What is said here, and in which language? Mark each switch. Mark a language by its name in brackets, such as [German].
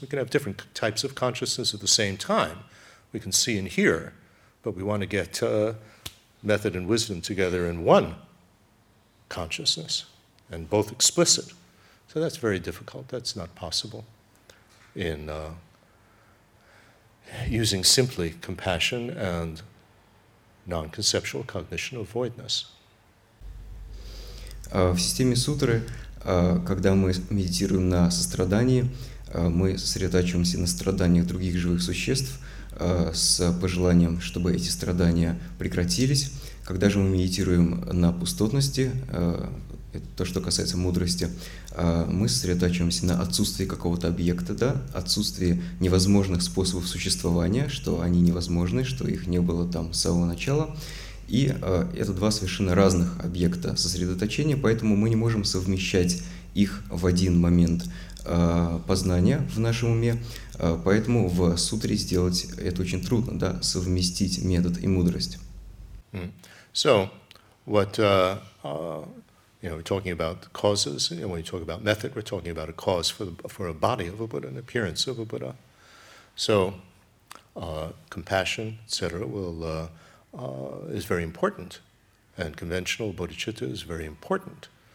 [English] We can have different types of consciousness at the same time. We can see and hear, but we want to get method and wisdom together in one consciousness, and both explicit. So that's very difficult. That's not possible in using simply compassion and non-conceptual cognition of voidness. [Russian] В системе сутры, когда мы медитируем на сострадании, мы сосредотачиваемся на страданиях других живых существ с пожеланием, чтобы эти страдания прекратились. Когда же мы медитируем на пустотности, это то, что касается мудрости, мы сосредотачиваемся на отсутствии какого-то объекта, да, отсутствии невозможных способов существования, что они невозможны, что их не было там с самого начала. И это два совершенно разных объекта сосредоточения, поэтому мы не можем совмещать их в один момент познания в нашем уме, поэтому в сутре сделать это очень трудно, да, совместить метод и мудрость. [English] So, what, you know, we're talking about causes, and you know, when you talk about method, we're talking about a cause for a body of a Buddha, an appearance of a Buddha. So, compassion, etc., will... is very important, and conventional bodhicitta is very important.